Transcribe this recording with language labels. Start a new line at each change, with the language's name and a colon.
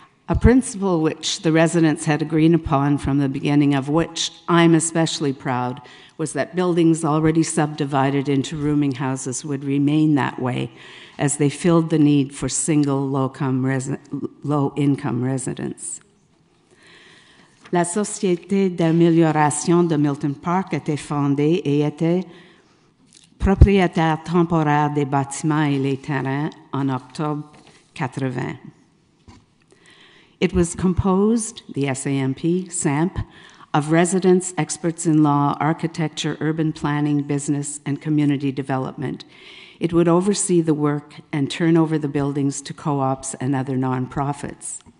English: A principle which the residents had agreed upon from the beginning, of which I'm especially proud, was that buildings already subdivided into rooming houses would remain that way as they filled the need for single low-income residents.
French: La Société d'amélioration de Milton Parc était fondée et était propriétaire temporaire des bâtiments et les terrains en octobre 80.
English: It was composed, the SAMP, SAMP, of residents, experts in law, architecture, urban planning, business, and community development. It would oversee the work and turn over the buildings to co-ops and other nonprofits.